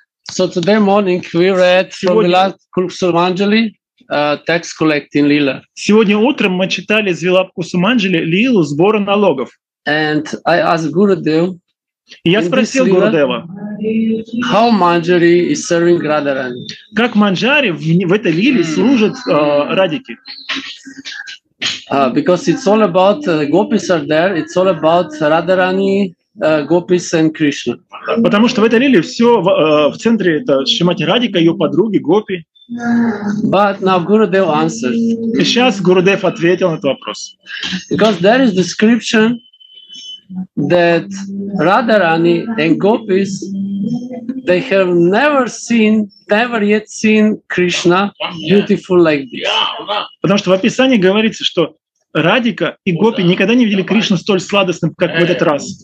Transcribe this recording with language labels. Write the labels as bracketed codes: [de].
[en] So today morning we read from the last Kulsumanjali. Tax collecting Lila. [ru] Сегодня утром мы читали из Вилапку Суманджали Лилу сбора налогов. [en] And I asked Gurudev. [ru] Я спросил Гурудева. [en] How Manjari is serving Radharani? [ru] Как Манджари в этой лиле служит Радике? [en] Because it's all about gopis are there. It's all about Radharani, gopis and Krishna. [ru] Потому что в этой лиле все в центре это Шримати Радика, ее подруги гопи. [en] But now Gurudev answers. [ru] И сейчас Гурудев ответил на этот вопрос. [en] Because there is description that Radharani and gopis, they have never yet seen Krishna beautiful like this. [ru] Потому что в описании говорится, что Радика и гопи никогда не видели Кришну столь сладостным, как в этот раз.